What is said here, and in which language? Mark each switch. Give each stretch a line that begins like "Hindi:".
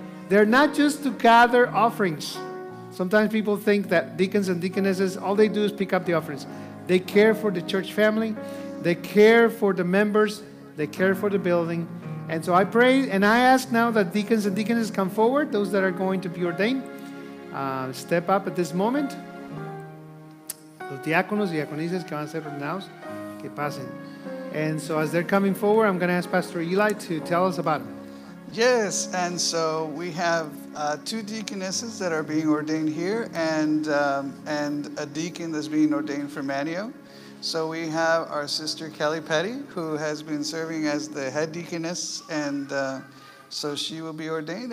English: They're not just to gather offerings. Sometimes people think that deacons and deaconesses, all they do is pick up the offerings. They care for the church family. They care for the members. They care for the building. And so I pray and I ask now that deacons and deaconesses come forward, those that are going to be ordained. Step up at this moment.
Spanish: Los diáconos y diaconisas que van a ser ordenados, que pasen.
English: And so as they're coming forward, I'm going to ask Pastor Eli to tell us about it. Yes, and so we have two deaconesses that are being ordained here and a deacon that's being ordained for Manio. So we have our sister Kelly Petty, who has been serving as the head deaconess, and so she will be ordained.